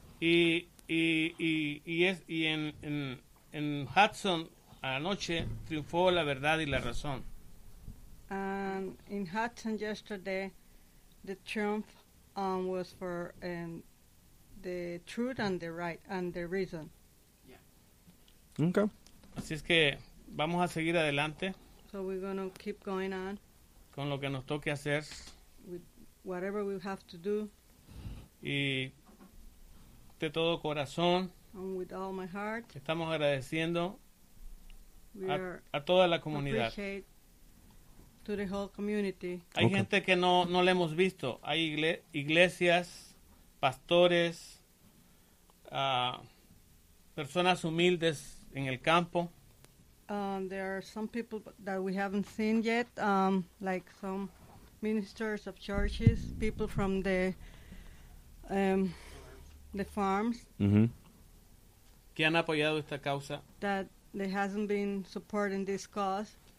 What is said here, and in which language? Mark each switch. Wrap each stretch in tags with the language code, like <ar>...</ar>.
<es>Y en Hudson, anoche, triunfó la verdad y la razón.</es> <en>And in Hudson yesterday, the triumph was for the truth and the right and the reason. Yeah. Okay.</en> <es>Así es que vamos a seguir adelante.</es> <en>So we're going to keep going on.</en> <es>Con lo que nos toque hacer.</es> <en>With whatever we have to do.</en> <es>Y de todo corazón.</es> <en>And with all my heart.</en> <es>Estamos agradeciendo a toda la comunidad.</es> <en>To the whole community.</en> <es>Hay gente que no le hemos visto. Hay iglesias, pastores, personas humildes en el campo.</es> <en>There are some people that we haven't seen yet, like some ministers of churches, people from the farms. Mm-hmm.</en> <es>Que han apoyado esta causa.</es> <en>That they hasn't been supporting this cause.</en>